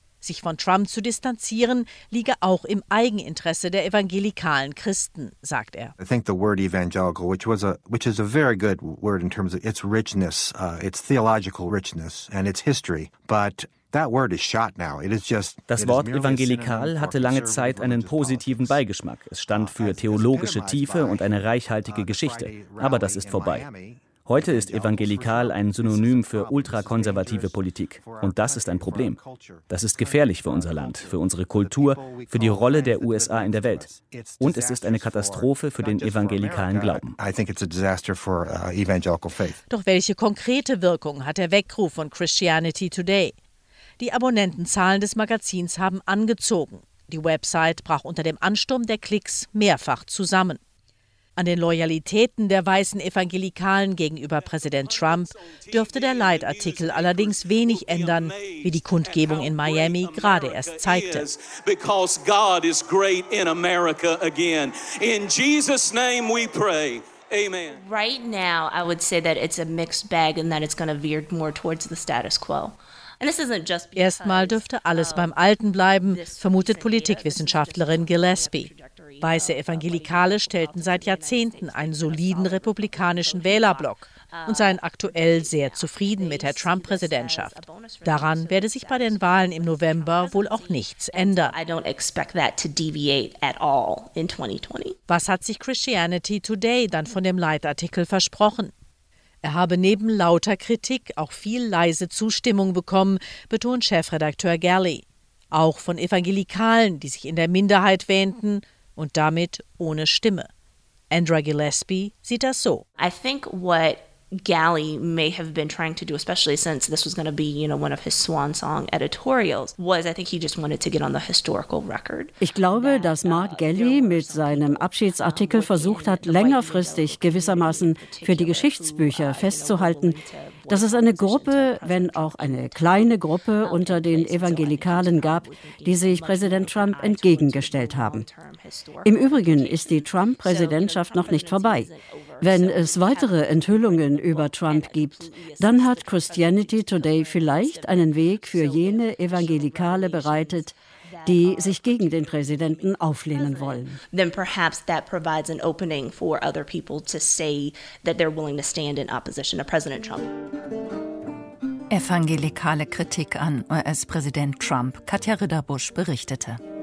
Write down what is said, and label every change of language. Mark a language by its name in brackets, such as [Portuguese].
[German] Sich von Trump zu distanzieren, liege auch im Eigeninteresse der evangelikalen Christen, sagt er. [English] I think the word evangelical, which is a very good word in terms of its richness, its theological richness and its history, but that word is shot now. It is just. [German] Das Wort evangelikal hatte lange Zeit einen positiven Beigeschmack. Es stand für theologische Tiefe und eine reichhaltige Geschichte, aber das ist vorbei. Heute ist evangelikal ein Synonym für ultrakonservative Politik. Und das ist ein Problem. Das ist gefährlich für unser Land, für unsere Kultur, für die Rolle der USA in der Welt. Und es ist eine Katastrophe für den evangelikalen Glauben. Doch welche konkrete Wirkung hat der Weckruf von Christianity Today? Die Abonnentenzahlen des Magazins haben angezogen. Die Website brach unter dem Ansturm der Klicks mehrfach zusammen. An den Loyalitäten der weißen Evangelikalen gegenüber Präsident Trump dürfte der Leitartikel allerdings wenig ändern, wie die Kundgebung in Miami gerade erst zeigte. [English] Because God is great in America again. In Jesus' name we pray. Amen. Right now I would say that it's a mixed bag and that it's going to veer more towards the status quo. [German] Erstmal dürfte alles beim Alten bleiben, vermutet Politikwissenschaftlerin Gillespie. Weiße Evangelikale stellten seit Jahrzehnten einen soliden republikanischen Wählerblock und seien aktuell sehr zufrieden mit der Trump-Präsidentschaft. Daran werde sich bei den Wahlen im November wohl auch nichts ändern. Was hat sich Christianity Today dann von dem Leitartikel versprochen? Er habe neben lauter Kritik auch viel leise Zustimmung bekommen, betont Chefredakteur Galley. Auch von Evangelikalen, die sich in der Minderheit wähnten und damit ohne Stimme. Andra Gillespie sieht das so. [English] I think what Galley may have been trying to do, especially since this was going to be, you know, one of his swan song editorials, was I think he just wanted to get on the historical record. [German] Ich glaube, dass Mark Galley mit seinem Abschiedsartikel versucht hat, längerfristig gewissermaßen für die Geschichtsbücher festzuhalten, dass es eine Gruppe, wenn auch eine kleine Gruppe unter den Evangelikalen gab, die sich Präsident Trump entgegengestellt haben. Im Übrigen ist die Trump-Präsidentschaft noch nicht vorbei. Wenn es weitere Enthüllungen über Trump gibt, dann hat Christianity Today vielleicht einen Weg für jene Evangelikale bereitet, die sich gegen den Präsidenten auflehnen wollen. [English] Then perhaps that provides an opening for other people to say that they're willing to stand in opposition to President Trump. [German] Evangelikale Kritik an US-Präsident Trump, Katja Ridderbusch berichtete.